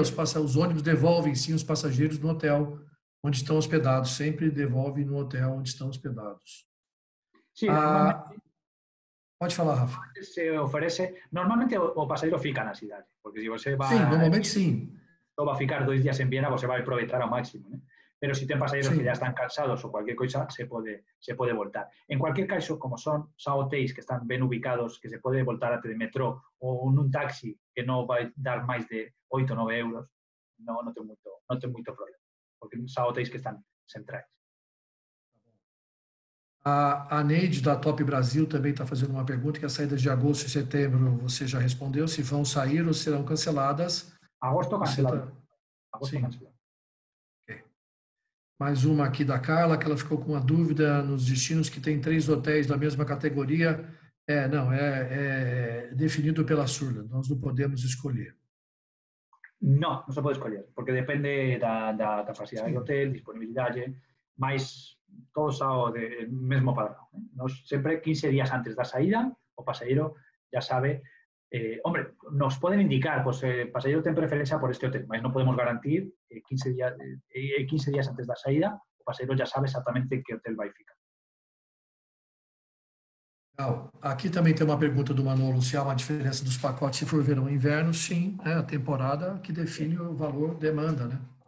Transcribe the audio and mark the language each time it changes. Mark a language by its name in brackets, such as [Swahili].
[Portuguese] Os ônibus devolvem sim os passageiros no hotel onde estão hospedados. Sempre devolvem no hotel onde estão hospedados. Sim, pode falar, Rafa. Se oferece, normalmente o passageiro fica na cidade. Porque se você vai. Sim, normalmente sim. Ou vai ficar 2 dias em Viena, você vai aproveitar ao máximo, né? [Spanish] Pero si tienen pasajeros que ya están cansados o cualquier cosa, se puede voltar. En cualquier caso, como son hotéis que están bien ubicados, que se puede voltar a de metro o en un taxi que no va a dar más de 8 o 9 euros, no tengo mucho problema. Porque son hotéis que están centrales. [Portuguese] A Neide, da Top Brasil, também está fazendo uma pergunta, que as saídas de agosto e setembro, você já respondeu, se vão sair ou serão canceladas. Agosto cancelado. Agosto sim. Cancelado. Mais uma aqui da Carla, que ela ficou com uma dúvida nos destinos que tem 3 hotéis da mesma categoria. É definido pela Surland, nós não podemos escolher. Não se pode escolher, porque depende da capacidade do hotel, disponibilidade, mas todos são do mesmo padrão. Nós, sempre 15 dias antes da saída, o passageiro já sabe. [Spanish] Hombre, nos pueden indicar, pues pasajero tiene preferencia por este hotel, pero no podemos garantir 15 días antes de la salida, el pasajero ya sabe exactamente qué hotel va a ficar. [Portuguese] Legal. [Spanish] Aquí también tiene una pregunta de Manolo, si hay una diferencia de los pacotes, si for verão e inverno, sí, es la temporada que define el valor demanda, ¿no?